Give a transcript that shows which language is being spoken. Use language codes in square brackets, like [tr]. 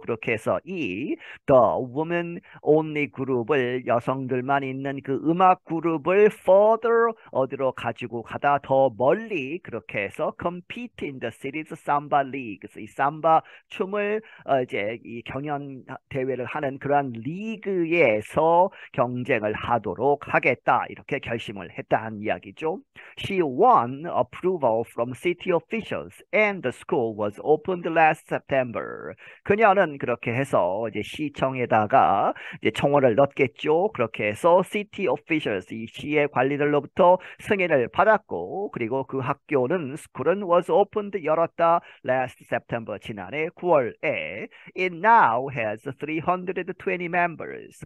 [ko] 그렇게 해서 이 [en] the women only group [ko] 을 여성들만 있는 그 음악 그룹을 [en] further [ko] 어디로 가지고 가다 더 멀리 그렇게 해서 [en] compete in the city's samba leagues. [ko] 이 삼바 춤을 이제 이 경연 대회를 하는 그러한 리그에서 경쟁을 하도록 하겠다. 이렇게 결심을 했다는 이야기죠. [en] She won approval from city officials and the school was opened last September. [ko] 그녀는 그렇게 해서 이제 시청에다가 이제 청원을 넣겠죠. 그렇게 해서 city officials, 이 시의 관리들로부터 승인을 받았고 그리고 그 학교는 school은 [en] was opened [ko] 열었다 [en] last September [ko] 지난해 9월에 [en] it now has 320 members.